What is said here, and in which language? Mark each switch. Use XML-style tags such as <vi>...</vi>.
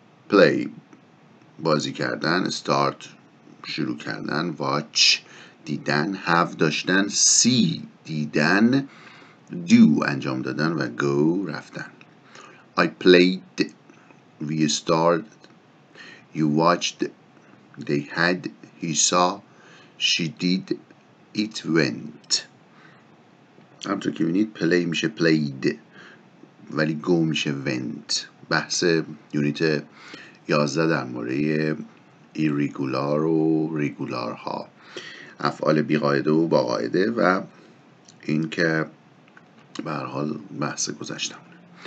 <fa>Play بازی کردن، start شروع کردن، watch دیدن، have داشتن، see دیدن، do انجام دادن و go رفتن.</fa> <en>I played we started you watched they had he saw she did it went.</en> <fa>همطور که بینید پلی میشه پلید ولی گو میشه ونت. بحث یونیت 11 در مورد ایریگولار و ریگولارها، افعال بی قاعده و با قاعده و این که به هر حال بحث گذشتمونه.</fa>